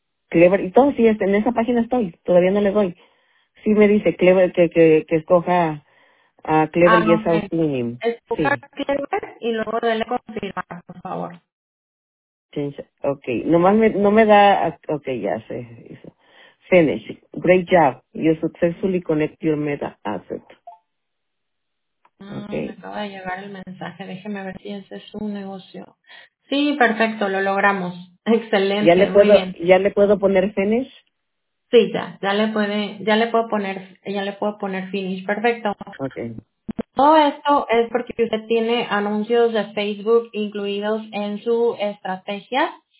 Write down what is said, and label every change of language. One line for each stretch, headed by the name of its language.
Spanish: Clever, y todo, sí, en esa página estoy, todavía no le doy. Sí me dice Clever, que escoja a Clever y esa última. Escoja Clever y luego dele confirmar, por favor. Okay, nomás no me da, okay, ya sé.
English: Finish, great job, you successfully connect your meta asset. Okay.
Spanish: Me acaba de llegar el mensaje, déjeme ver si ese es un negocio. Sí, perfecto, lo logramos. Excelente, muy bien. ¿Ya le puedo poner finish? Sí, ya le puedo poner finish, perfecto. Okay. Todo esto es porque usted tiene anuncios de Facebook incluidos en su estrategia.